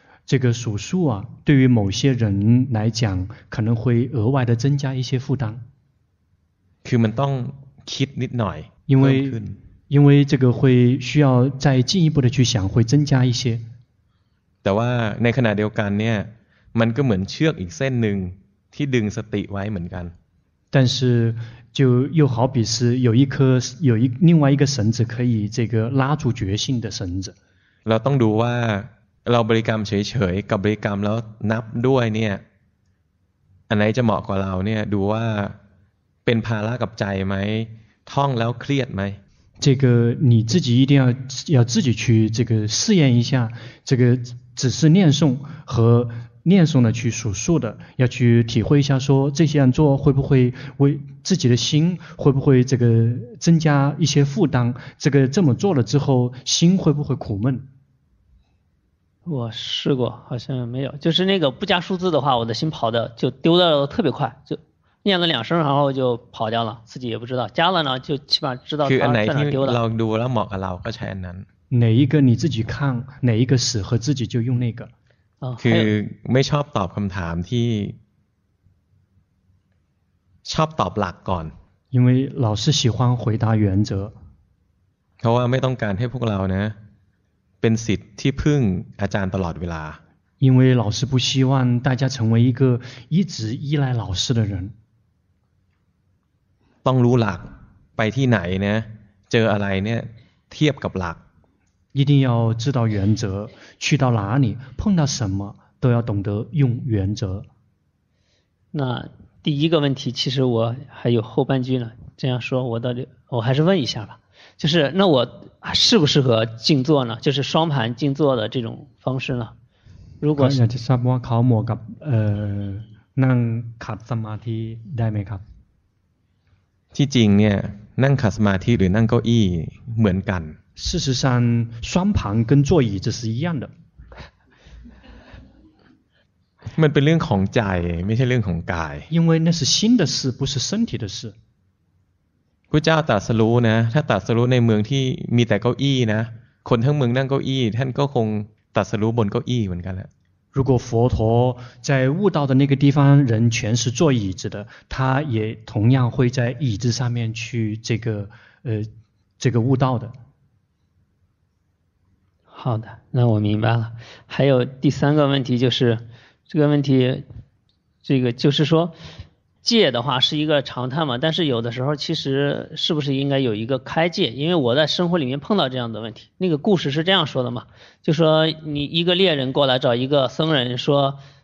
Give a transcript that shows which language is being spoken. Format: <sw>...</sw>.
<zh>这个数数啊，对于某些人来讲，可能会额外的增加一些负担。</zh> <th>คือมันต้องคิดนิดหน่อย</th> <zh>因为这个会需要再进一步的去想，会增加一些。</zh> <th>แต่ว่าในขณะเดียวกันเนี่ยมันก็เหมือนเชือกอีกเส้นนึงที่ดึงสติไว้เหมือนกัน</th> <zh>但是就又好比是有一颗有一另外一个绳子可以这个拉住决心的绳子。</zh> <th>เราต้องดูว่าเราบริกรรมเฉยๆกับบริกรรมแล้วนับด้วยเนี่ยอันไหนจะเหมาะกว่าเราเนี่ยดูว่าเป็นภาระกับใจไหมท่องแล้วเครียดไหม</th> <zh>这个你自己一定要自己去这个试验一下这个只是念诵和念诵的去数数的要去体会一下说这些样做会不会为自己的心会不会这个增加一些负担这个这么做了之后心会不会苦闷我试过好像没有就是那个不加数字的话我的心跑的就丢的特别快就念了两声然后就跑掉了自己也不知道加了呢就起码知道它在哪丢的老读了某个老个才能哪一个你自己看哪一个适合自己就用那个</zh> <th>คือไม่ชอบตอบคำถามที่ชอบตอบหลักก่อน</th> <zh>因为老师喜欢回答原则</zh> <th>เพราะว่าไม่ต้องการให้พวกเรานะเป็นศิษย์ที่พึ่งอาจารย์ตลอดเวลา</th> <zh>因为老师不希望大家成为一个一直依赖老师的人</zh> <th>ต้องรู้หลักไปที่ไหนนะเจออะไรเนี่ยเทียบกับหลัก</th> <zh>一定要知道原则去到哪里碰到什么都要懂得用原则那第一个问题其实我还有后半句呢这样说我到底我还是问一下吧就是那我适不适合静坐呢就是双盘静坐的这种方式呢如果是就是我考模</zh> <th>กับนั่งขัดสมาธิได้ไหมครับ ที่จริงเนี่ยนั่งขัดสมาธิหรือนั่งเก้าอี้เหมือนกัน</th> <zh>事实上双盘跟座椅这是一样的</zh> <th>มันเป็นเรื่องของใจไม่ใช่เรื่องของกาย</th> <zh>因为那是心的事不是身体的事</zh> <th>พุทธเจ้าตรัสรู้นะถ้าตรัสรู้ในเมืองที่มีแต่เก้าอี้นะคนทั้งเมืองนั่งเก้าอี้ท่านก็คงตรัสรู้บนเก้าอี้เหมือนกันแหละ</th> <zh>如果佛陀在悟道的那个地方人全是坐椅子的他也同样会在椅子上面去这个悟道的好的那我明白了还有第三个问题就是这个问题这个就是说戒的话是一个常态嘛但是有的时候其实是不是应该有一个开戒因为我在生活里面碰到这样的问题那个故事是这样说的嘛就说你一个猎人过来找一个僧人说</zh>